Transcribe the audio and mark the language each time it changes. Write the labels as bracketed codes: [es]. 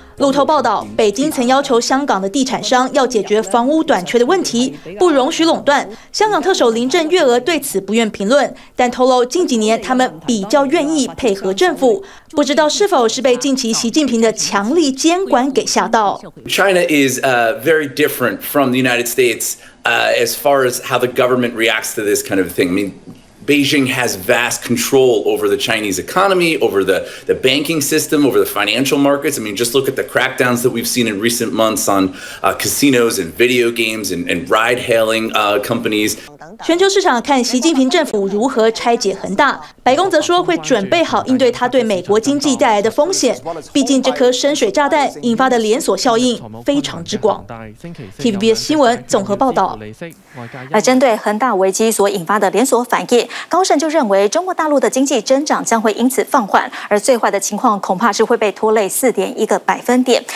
[zh] 路透报道，北京曾要求香港的地产商要解决房屋短缺的问题，不容许垄断。香港特首林郑月娥对此不愿评论，但透露近几年他们比较愿意配合政府。不知道是否是被近期习近平的强力监管给吓到。 [en] China is very different from the United States as far as how the government reacts to this kind of thing. I mean, Beijing has vast control over the Chinese economy, over the banking system, over the financial markets. I mean, just look at the crackdowns that we've seen in recent months on casinos and video games and ride hailing companies. [zh] 全球市场看习近平政府如何拆解恒大，白宫则说会准备好应对他对美国经济带来的风险。毕竟这颗深水炸弹引发的连锁效应非常之广。 TVBS 新闻综合报道。而针对恒大危机所引发的连锁反应，高盛就认为中国大陆的经济增长将会因此放缓，而最坏的情况恐怕是会被拖累4.1%。